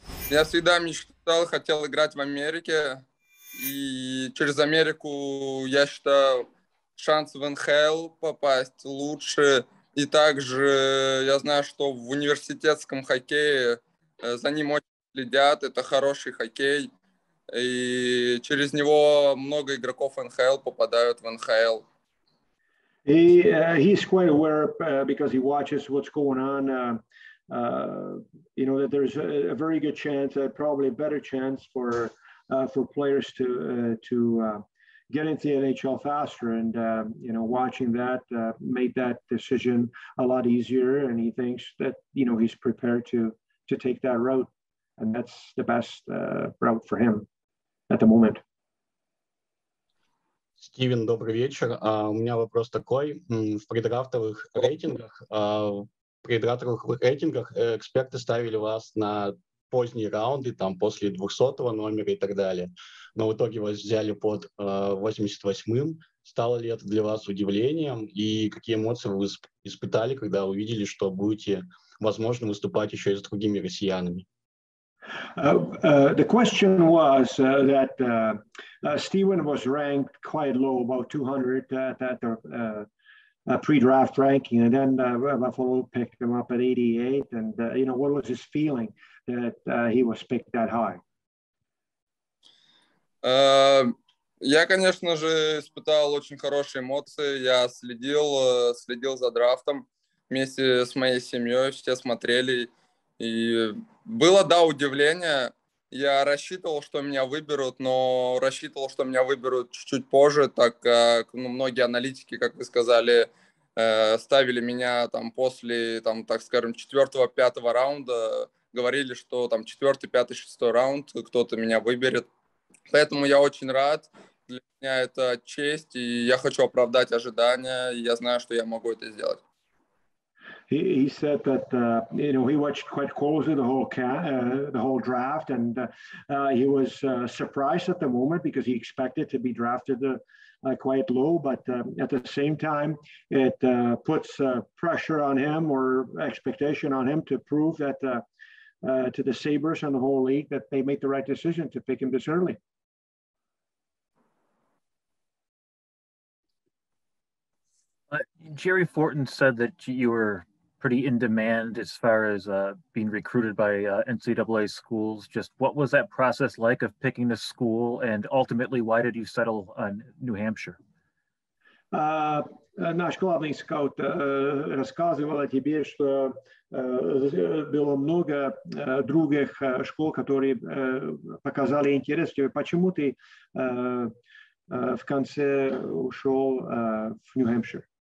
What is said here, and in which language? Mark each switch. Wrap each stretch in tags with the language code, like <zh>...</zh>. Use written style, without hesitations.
<ru>Я всегда мечтал, хотел играть в Америке. И через Америку, я считаю, шанс в НХЛ попасть лучше. И также я знаю, что в университетском хоккее за ним очень следят. Это хороший хоккей. И через него много игроков НХЛ попадают в НХЛ.</ru> <en>He's quite aware because he watches what's going on. That there's a very good chance, probably a better chance for players to get into the NHL faster. And watching that made that decision a lot easier. And he thinks that he's prepared to take that route, and that's the best route for him at the moment.</en> <ru>Стивен, добрый вечер. У меня вопрос такой. В предрафтовых рейтингах эксперты ставили вас на поздние раунды, там после 200-го номера и так далее. Но в итоге вас взяли под 88-м. Стало ли это для вас удивлением? И какие эмоции вы испытали, когда увидели, что будете, возможно, выступать еще и с другими россиянами?</ru> <en>The question was that Steven was ranked quite low, about 200 at the pre-draft ranking, and then Buffalo picked him up at 88. And what was his feeling that he was picked that high?</en> <ru>Я, конечно же, испытал очень хорошие эмоции. Я следил за драфтом вместе с моей семьей. Все смотрели. И было, да, удивление. Я рассчитывал, что меня выберут, но рассчитывал, что меня выберут чуть-чуть позже, так как, ну, многие аналитики, как вы сказали, ставили меня там после, там, так скажем, четвертого-пятого раунда. Говорили, что там четвертый, пятый, шестой раунд кто-то меня выберет. Поэтому я очень рад. Для меня это честь, и я хочу оправдать ожидания. И я знаю, что я могу это сделать.</ru> <en>He said that he watched quite closely the whole draft, and he was surprised at the moment because he expected to be drafted quite low. But at the same time, it puts pressure on him or expectation on him to prove that to the Sabres and the whole league that they made the right decision to pick him this early. Jerry Fortin said that you were pretty in demand as far as being recruited by NCAA schools. Just what was that process like of picking a school, and ultimately, why did you settle on New Hampshire?</en> <ru>Наш главный скаут рассказывал о тебе, что было много других школ, которые показали интерес к тебе. Почему ты в конце ушел в Нью-Хэмпшир?</ru>